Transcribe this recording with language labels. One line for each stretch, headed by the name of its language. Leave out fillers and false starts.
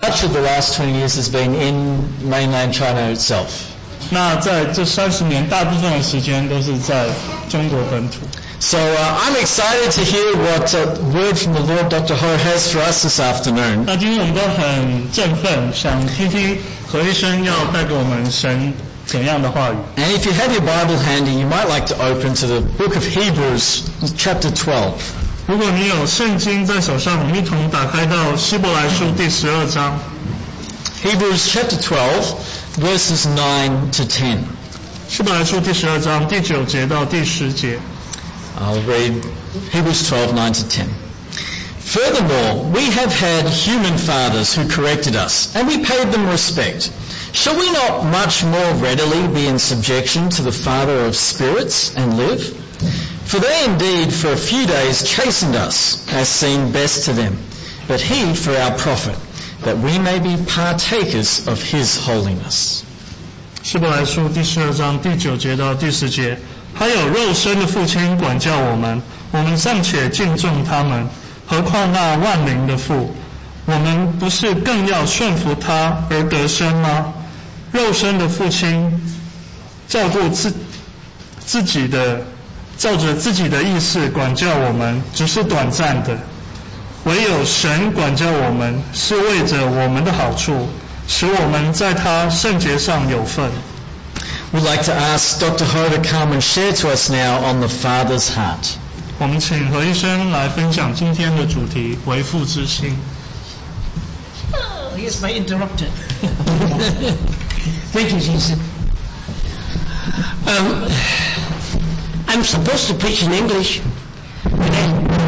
English: much of the last 20 years has been in mainland China itself.
Chinese: 那在这三十年，大部分的时间都是在中国本土。
English: So I'm excited to hear what word from the Lord Dr. Ho has for us this afternoon.
Chinese: 那今天我们都很振奋，想听听何医生要带给我们神怎样的话语。
English: And if you have your Bible handy, you might like to open to the book of Hebrews, chapter 12.
Chinese: 如果你有圣经在手上，我们一同打开到希伯来书第十二章。
English: Hebrews chapter 12, verses 9 to 10.
Chinese: 希伯来书第十二章第九节到第十节。
English: I'll read Hebrews 12, 9 to 10. Furthermore, we have had human fathers who corrected us, and we paid them respect. Shall we not much more readily be in subjection to the Father of spirits and live? For they indeed for a few days chastened us, as seemed best to them, but he for our profit. That we may be partakers of His holiness.
Chinese: 希伯来书第十二章第九节到第十节，还有肉身的父亲管教我们，我们尚且敬重他们，何况那万灵的父？我们不是更要顺服他而得生吗？肉身的父亲照顾自己的，照着自己的意思管教我们，只是短暂的。唯有神管教我们，是为着我们的好处，使我们在他圣洁上有份。
English: We'd like to ask Dr. Ho to come and share to us now on the Father's heart.
Chinese: 我们请何医生来分享今天的主题——为父之心。
English: Yes, my interrupter. Thank you, Jesus. I'm supposed to preach in English today.